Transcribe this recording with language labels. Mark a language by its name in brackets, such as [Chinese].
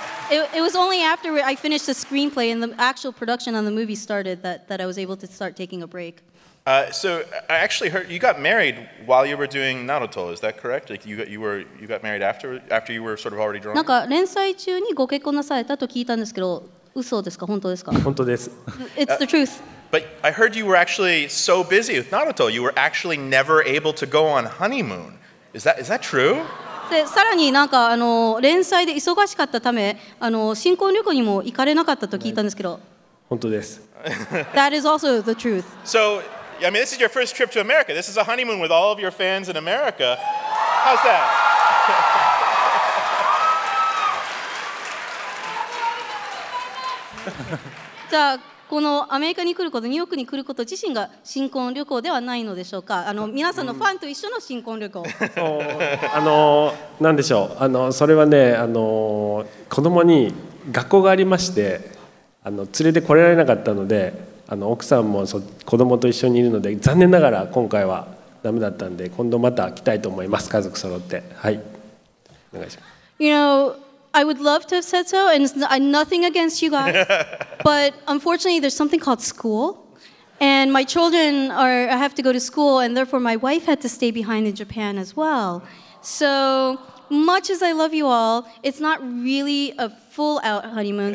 [English] It was only after I finished the screenplay and the actual production on the movie started that I was able to start taking a break. So I actually heard you got married while you were doing Naruto. Is that correct? Like you got married after you were sort of already drawing. [Japanese] なんか連載中にご結婚なされたと聞いたんですけど、嘘ですか本当ですか？本当です。 [English] It's the truth. But I heard you were actually so busy with Naruto, you were actually never able to go on honeymoon. Is that true? [Japanese] でさらになんかあの連載で忙しかったため、あの新婚旅行にも行かれなかったと聞いたんですけど。本当です。 [English] That is also the truth. So, I mean, this is your first trip to America. This is a honeymoon with all of your fans in America. How's that? [Japanese] じゃあこのアメリカに来ること、ニューヨークに来ること自身が新婚旅行ではないのでしょうか？あの皆さんのファンと一緒の新婚旅行。あの、なんでしょう。あのそれはね、あの子供に学校がありまして。あの連れてこれられなかったので、あの奥さんも子供と一緒にいるので残念ながら今回はダメだったんで、今度また来たいと思います、家族揃って。はい、お願いします。 [English] You know, I would love to have said so, and nothing against you guys, but unfortunately there's something called school, and my children are, I have to go to school, and therefore my wife had to stay behind in Japan as well. So much as I love you all, it's not really a full out honeymoon.